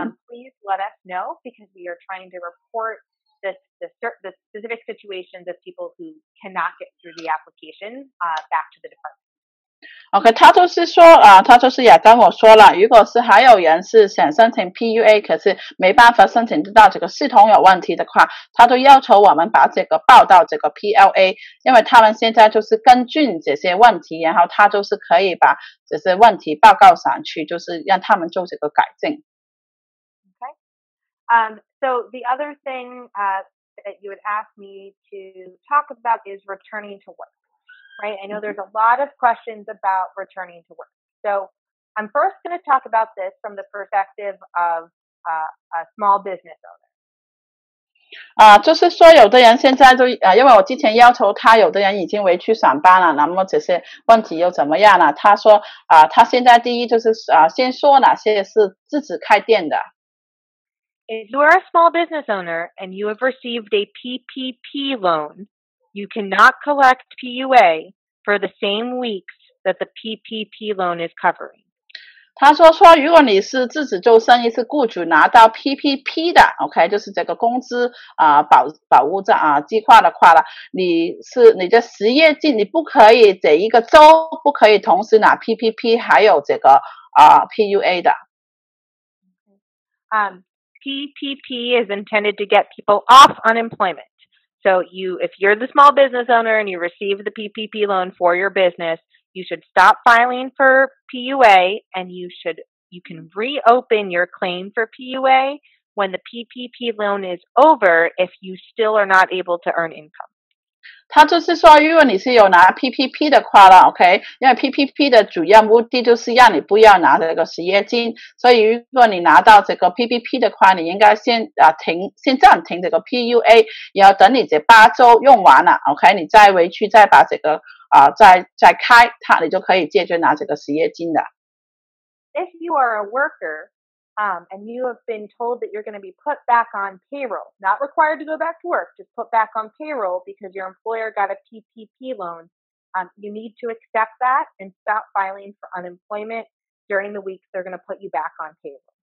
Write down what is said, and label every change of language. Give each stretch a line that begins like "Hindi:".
English: Please let us know because we are trying to report the specific situations of people who cannot get through the application back to the department.
Chinese: OK, 他就是说他就是也跟我说了如果是还有人是想申请 PUA, 可是没办法申请到这个系统有问题的话他都要求我们把这个报到这个 PLA, 因为他们现在就是跟进这些问题然后他就是可以把这些问题报告上去就是让他们做这个改进。
English: OK, so the other thing that you would ask me to talk about is returning to work. Right, I know there's a lot of questions about returning to work. So I'm first going to talk about this from the perspective of a small business owner.
Chinese: 就是说有的人现在就因为我之前要求他有的人已经回去上班了那么这些问题又怎么样了他说他现在第一就是先说哪些是自己开店的。
English: If you are a small business owner and you have received a PPP loan,You cannot collect PUA for the same weeks that the PPP loan is covering.
Chinese: 他说说如果你是自己做生意是雇主拿到 PPP 的 OK 就是这个工资保护账计划的话你是你的失业金你不可以这一个州不可以同时拿 PPP 还有这个PUA 的。
English: PPP is intended to get people off unemployment. So if you're the small business owner and you receive the PPP loan for your business, you should stop filing for PUA and you can reopen your claim for PUA when the PPP loan is over if you still are not able to earn income.
Chinese: 他就是说如果你是有拿 PPP 的话了 OK 因为 PPP 的主要目的就是让你不要拿这个失业金所以如果你拿到这个 PPP 的话你应该先暂停这个 PUA 然后等你这八周用完了 OK 你再回去再把这个再开它你就可以解决拿这个失业金的
English: If you are a worker and you have been told that you're going to be put back on payroll, not required to go back to work, just put back on payroll because your employer got a PPP loan, you need to accept that and stop filing for unemployment during the week they're going to put you back on payroll.